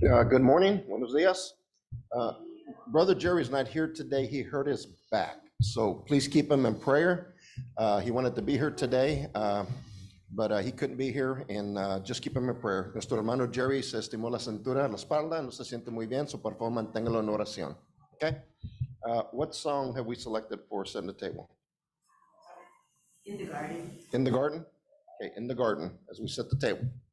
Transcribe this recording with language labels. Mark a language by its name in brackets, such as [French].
[English] Good morning. [Spanish] Buenos dias. [English] Brother Jerry's not here today. He hurt his back. So please keep him in prayer. He wanted to be here today. but he couldn't be here, and just keep him in prayer. [Spanish] Nuestro hermano Jerry se estimó la cintura, la espalda, no se siente muy bien, so por favor manténgalo en oración. [English] Okay? What song have we selected for Send the Table? In the Garden. In the Garden? Okay, In the Garden, as we set the table.